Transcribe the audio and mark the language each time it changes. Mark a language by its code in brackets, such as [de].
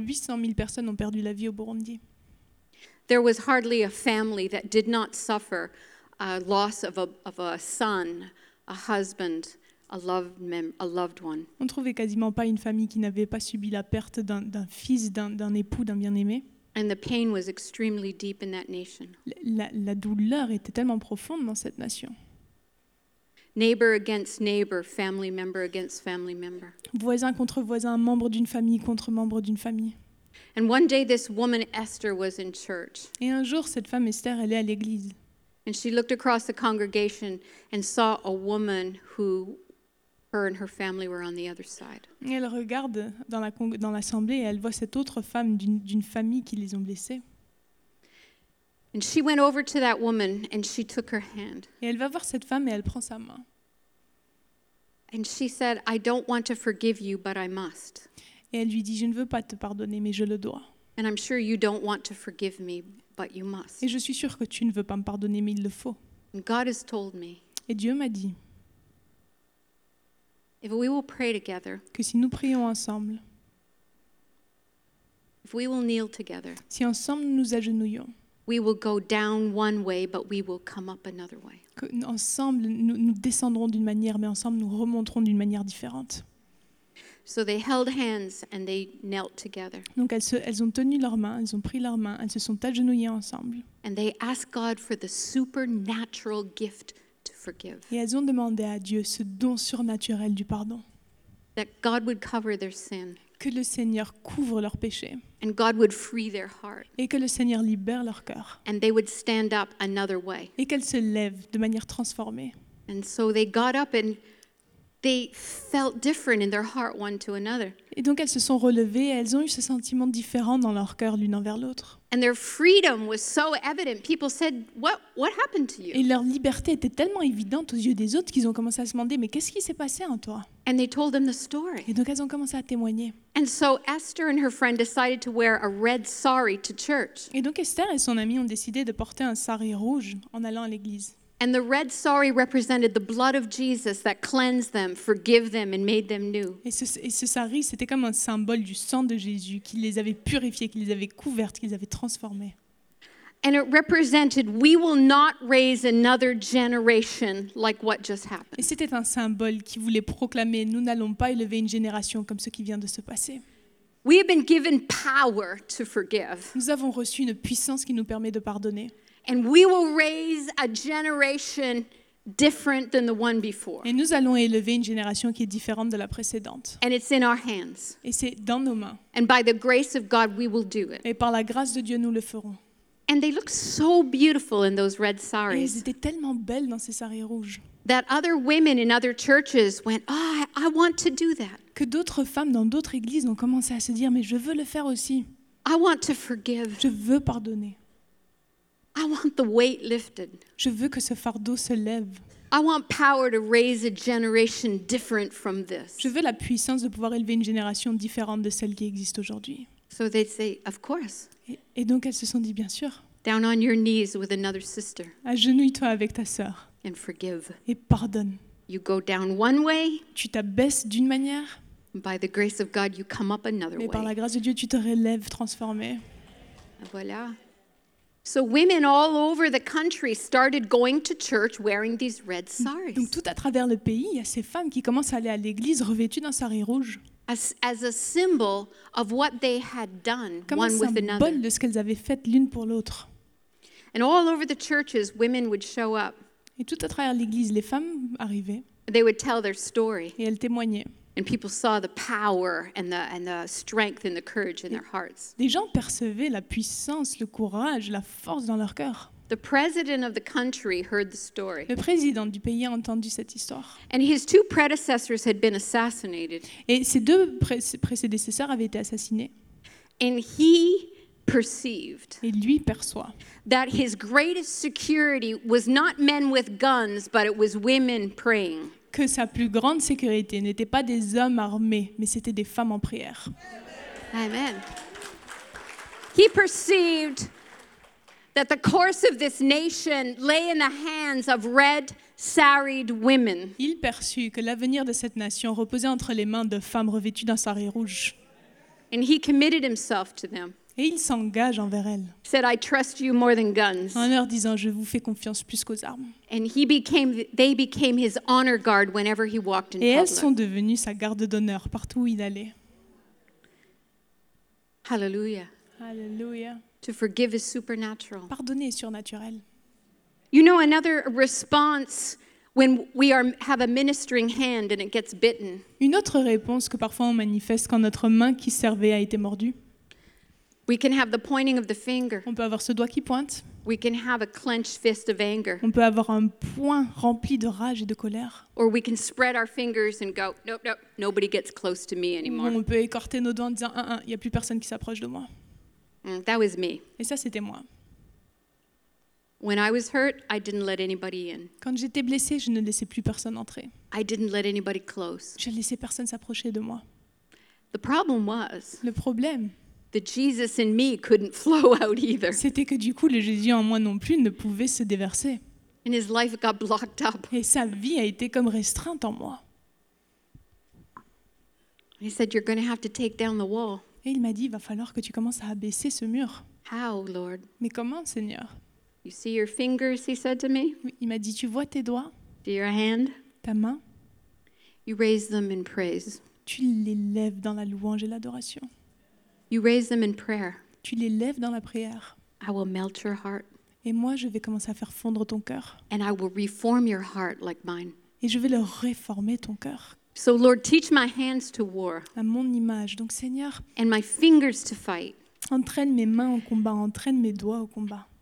[fr] 800 000 personnes ont perdu la vie au Burundi. [en] There was hardly a family that did not suffer a loss of a son, a husband, a loved one. [fr] On trouvait quasiment pas une famille qui n'avait pas subi la perte d'un fils, d'un époux, d'un bien-aimé. [en] And the pain was extremely deep in that nation. [fr] La douleur était tellement profonde dans cette nation. [en] Neighbor against neighbor, family member against family member. [fr] Voisin contre voisin, membre d'une famille contre membre d'une famille. [en] And one day this woman Esther was in church. [fr] Et un jour cette femme Esther, elle est à l'église. [en] And she looked across the congregation and saw a woman who her and her family were on the other side. [fr] Et elle regarde dans l'assemblée et elle voit cette autre femme d'une famille qui les ont blessés. [en] And she went over to that woman and she took her hand. [fr] Et elle va voir cette femme et elle prend sa main. [en] And she said, I don't want to forgive you, but I must. [fr] Et elle lui dit, je ne veux pas te pardonner, mais je le dois. [en] And I'm sure you don't want to forgive me, but you must. [fr] Et je suis sûre que tu ne veux pas me pardonner, mais il le faut. [en] And God has told me. [fr] Et Dieu m'a dit. [en] If we will pray together. [fr] Que si nous prions ensemble. [en] If we will kneel together. [fr] Si ensemble nous agenouillons. [en] We will go down one way, but we will come up another way. [fr] Ensemble, nous descendrons d'une manière, mais ensemble, nous remonterons d'une manière différente. [en] So they held hands and they knelt together. [fr] Donc elles ont tenu leurs mains, elles ont pris leurs mains, elles se sont agenouillées ensemble. [en] And they asked God for the supernatural gift to forgive. [fr] Et elles ont demandé à Dieu ce don surnaturel du pardon. [en] That God would cover their sin. [fr] Que le Seigneur couvre leurs péchés. [en] And God would free their heart. [fr] Et que le Seigneur libère leur cœur. [en] And they would stand up another way. [fr] Et qu'elles se lèvent de manière transformée. [en] And so they got up and they felt different in their heart one to another. [fr] Et donc elles se sont relevées et elles ont eu ce sentiment différent dans leur cœur l'une envers l'autre. [en] And their freedom was so evident. People said, "What happened to you?" [fr] Et leur liberté était tellement évidente aux yeux des autres qu'ils ont commencé à se demander, mais qu'est-ce qui s'est passé en toi? [en] And they told them the story. [fr] Et donc elles ont commencé à témoigner. [en] And so Esther and her friend decided to wear a red sari to church. [fr] Et donc Esther et son amie ont décidé de porter un sari rouge en allant à l'église. [en] And the red sari represented the blood of Jesus that cleansed them, forgave them, and made them new. [fr] Et ce sari, c'était comme un symbole du sang de Jésus qui les avait purifiés, qui les avait couvertes, qui les avait transformés. [en] And it represented, we will not raise another generation like what just happened. [fr] Et c'était un symbole qui voulait proclamer, nous n'allons pas élever une génération comme ce qui vient de se passer. [en] We have been given power to forgive. [fr] Nous avons reçu une puissance qui nous permet de pardonner. [en] And we will raise a generation different than the one before. [fr] Et nous allons élever une génération qui est différente de la précédente. [en] And it's in our hands. [fr] Et c'est dans nos mains. [en] And by the grace of God, we will do it. [fr] Et par la grâce de Dieu, nous le ferons. [en] And they look so beautiful in those red saris. [fr] Et elles étaient tellement belles dans ces saris rouges. [en] That other women in other churches went, oh, I want to do that. [fr] Que d'autres femmes dans d'autres églises ont commencé à se dire, mais je veux le faire aussi. [en] I want to forgive. [fr] Je veux pardonner. [en] I want the weight lifted. [fr] Je veux que ce fardeau se lève. [en] I want power to raise a generation different from this. [fr] Je veux la puissance de pouvoir élever une génération différente de celle qui existe aujourd'hui. [en] So they say, of course. [fr] Et donc elles se sont dit, bien sûr. [en] Down on your knees with another sister. [fr] Agenouille-toi avec ta sœur. [en] And forgive. [fr] Et pardonne. [en] You go down one way. [fr] Tu t'abaisses d'une manière. [en] By the grace of God, you come up another way. [fr] Mais par la grâce de Dieu, tu te relèves transformée. Voilà. [en] So women all over the country started going to church wearing these red saris. [fr] Donc tout à travers le pays, il y a ces femmes qui commencent à aller à l'église revêtues d'un sari rouge. [en] As a symbol of what they had done [fr] comme [en] one with another. [fr] Symbole de ce qu'elles avaient fait l'une pour l'autre. [en] And all over the churches, women would show up. [fr] Et tout à travers l'église, les femmes arrivaient. [en] They would tell their story. [fr] Et elles témoignaient. [en] And people saw the power and the strength and the courage in their hearts. [fr] Les gens percevaient la puissance, le courage, la force dans leur cœur. [en] The president of the country heard the story. [fr] Le président du pays a entendu cette histoire. [en] And his two predecessors had been assassinated. [fr] Et ses deux prédécesseurs avaient été assassinés. [en] And he perceived. [fr] Et lui perçoit. [en] That his greatest security was not men with guns, but it was women praying. [fr] Que sa plus grande sécurité n'était pas des hommes armés, mais c'était des femmes en prière. [en] Amen. He perceived that the course of this nation lay in the hands of red-saried women. [fr] Il perçut que l'avenir de cette nation reposait entre les mains de femmes revêtues d'un sari rouge. [en] And he committed himself to them. [fr] Et il s'engage envers elles. [en] Said, I trust you more than guns. [fr] En leur disant, je vous fais confiance plus qu'aux armes. [en] And they became his honor guard whenever he walked in public. [fr] Et elles sont devenues sa garde d'honneur partout où il allait. [en] Hallelujah. [fr] Hallelujah. [en] To forgive is supernatural. [fr] Pardonner est surnaturel. [en] You know another response when we are have a ministering hand and it gets bitten. [fr] Une autre réponse que parfois on manifeste quand notre main qui servait a été mordue. [en] We can have the pointing of the finger. [fr] On peut avoir ce doigt qui pointe. [en] We can have a clenched fist of anger. [fr] On peut avoir un poing rempli de rage et de colère. [en] Or we can spread our fingers and go, nope, nope, nobody gets close to me anymore. [fr] On peut écarter nos doigts en disant, il n'y a plus personne qui s'approche de moi. [en] That was me. [fr] Et ça, c'était moi. [en] When I was hurt, I didn't let anybody in. [fr] Quand j'étais blessée, je ne laissais plus personne entrer. [en] I didn't let anybody close. [fr] Je laissais personne s'approcher de moi. [en] The problem was. [fr] Le problème. [en] The Jesus in me couldn't flow out either. [fr] C'était que du coup, le Jésus en moi non plus ne pouvait se déverser. [en] And his life got blocked up. [fr] Et sa vie a été comme restreinte en moi. [en] He said, "You're going to have to take down the wall." [fr] Et il m'a dit, il va falloir que tu commences à abaisser ce mur. [en] How, Lord? [fr] Mais comment, Seigneur? [en] You see your fingers, he said to me. [fr] Il m'a dit, tu vois tes doigts? [en] Do your hand? [fr] Ta main? [en] You raise them in praise. [fr] Tu les lèves dans la louange et l'adoration. [en] You raise them in prayer. [fr] Tu les lèves dans la prière. [en] I will melt your heart. [fr] Et moi, je vais commencer à faire fondre ton cœur. [en] And I will reform your heart like mine. [fr] Et je vais le réformer ton cœur. [en] So Lord, teach my hands to war. [fr] À mon image, donc Seigneur. [en] And my fingers to fight. [fr] Entraîne mes mains au combat, entraîne mes doigts au combat.